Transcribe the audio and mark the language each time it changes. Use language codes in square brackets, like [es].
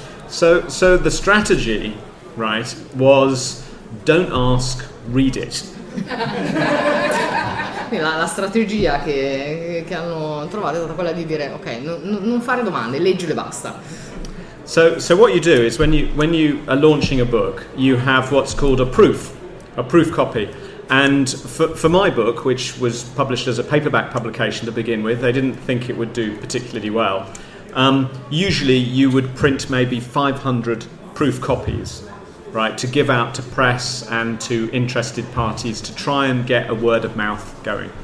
[en] So the strategy, right, was don't ask, read it. [it] La strategia che hanno trovato è stata quella di dire ok, non fare domande, leggile, basta. [en] So what you do is when you are launching a book, you have what's called a proof copy. And for my book, which was published as a paperback publication to begin with, they didn't think it would do particularly well. Usually you would print maybe 500 proof copies, right, to give out to press and to interested parties to try and get a word of mouth going.